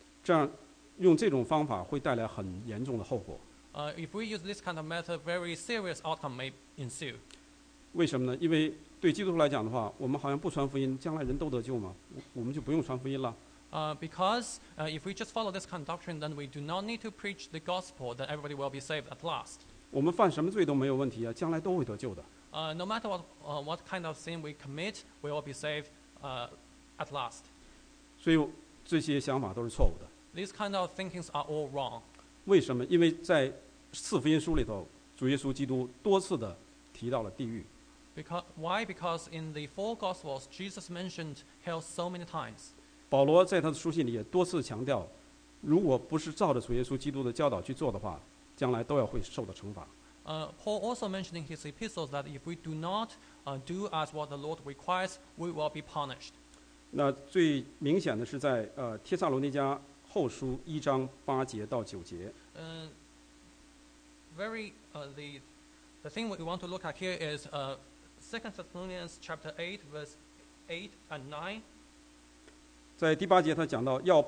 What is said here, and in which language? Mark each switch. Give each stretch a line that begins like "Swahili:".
Chinese: 这样用这种方法会带来很严重的后果。
English: If we use this kind of method, very serious outcome may ensue.
Chinese: 为什么呢? 因为对基督徒来讲的话, 我们好像不传福音, 将来人都得救吗? 我们就不用传福音了。
English: If we just follow this kind of doctrine, then we do not need to preach the gospel, then everybody will be saved at last.
Chinese: 我们犯什么罪都没有问题啊, 将来都会得救的。
English: No matter what kind of sin we commit, we will be saved at last.
Chinese: 所以这些想法都是错误的。
English: These kind of thinkings are all wrong.
Chinese: 为什么? 因为在四福音书里头, 主耶稣基督多次的提到了地狱。
English: Because in the four Gospels, Jesus mentioned hell so many times.
Chinese: 保罗在他的书信里也多次强调, 如果不是照着主耶稣基督的教导去做的话, 将来都要会受到惩罚。
English: Paul also mentioned in his epistles that if we do not do as what the Lord requires, we will be punished.
Chinese: 那最明显的是在, 帖撒罗尼迦后书1章8节到9节。
English: The thing we want to look at here is 2 Thessalonians chapter 8, verse 8 and 9.